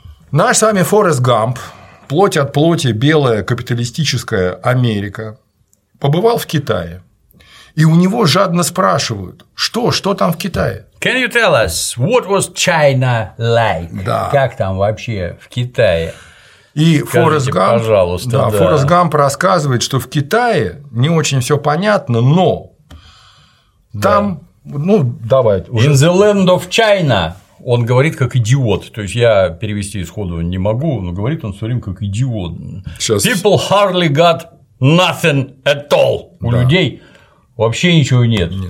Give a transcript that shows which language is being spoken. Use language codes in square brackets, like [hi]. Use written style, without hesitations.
[ru] Наш с вами Форрест Гамп, плоть от плоти белая капиталистическая Америка, побывал в Китае, и у него жадно спрашивают, что там в Китае? [en] Can you tell us, what was China like? [ru] Да. Как там вообще в Китае? И Форрест Гамп, пожалуйста, да. Форрест Гамп рассказывает, что в Китае не очень все понятно, но там, ну, давай. [en] In the land of China, [ru] он говорит как идиот, то есть я перевести сходу не могу, но говорит он все время как идиот. Сейчас. [en] People hardly got nothing at all. [ru] У людей вообще ничего нет.